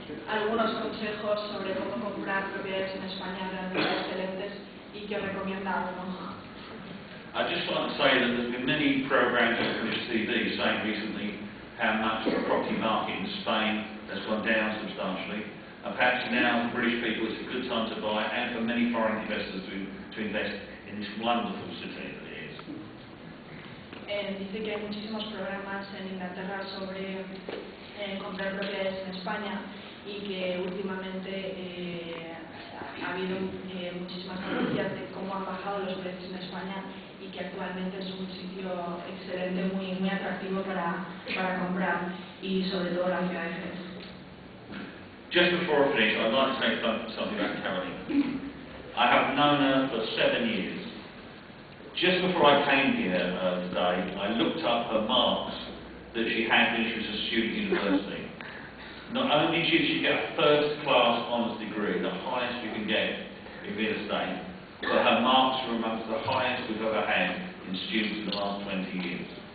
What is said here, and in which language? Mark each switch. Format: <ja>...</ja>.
<es>Algunos consejos sobre cómo comprar propiedades en España realmente excelentes y que recomienda uno.</es> <en>I just want to say that there's been many programs on the TV saying recently how much the property market in Spain has gone down substantially. And perhaps now for British people it's a good time to buy and for many foreign investors to invest in this wonderful city that it is.</en> <es>Dice que hay muchísimos programas en Inglaterra sobre comprar propiedades en España y que últimamente ha habido muchísimas noticias de cómo han bajado los precios en España y que actualmente es un sitio excelente, muy, muy atractivo para comprar y sobre todo la ciudad de Jerez.</es> <en>Just before I finish, I'd like to say something about Carolina. I have known her for 7 years. Just before I came here today, I looked up her marks that she had when she was a student at university. Not only did she get a first class honours degree, the highest you can get in real estate, but her marks were amongst the highest we've ever had in students in the last 20 years.</en>